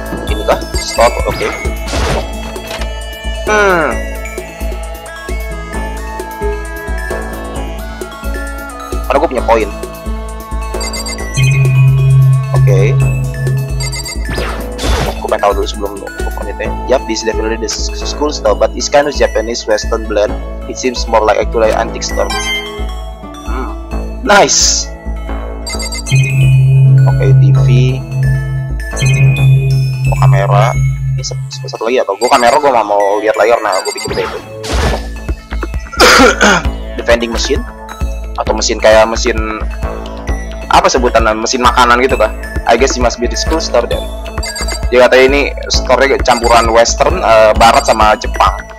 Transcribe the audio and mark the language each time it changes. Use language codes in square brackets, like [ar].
[id] Ini kah? Stop. Oke. Okay. Karena gue punya koin. Oke. Okay. Gue pengen tahu dulu sebelum komitnya. [en] Yap, this is definitely the school store, but it's kind of Japanese Western blend. It seems more like actually antique store. Nice. Oke, okay, TV. [id] Oh, kamera. Satu lagi atau gue kamera gue mau lihat layar, nah gue bikin itu. Defending machine atau mesin kayak mesin apa sebutan mesin makanan gitu kah? [en] I guess it must be the school store then. [id] Dia kata ini store nya campuran Western Barat sama Jepang.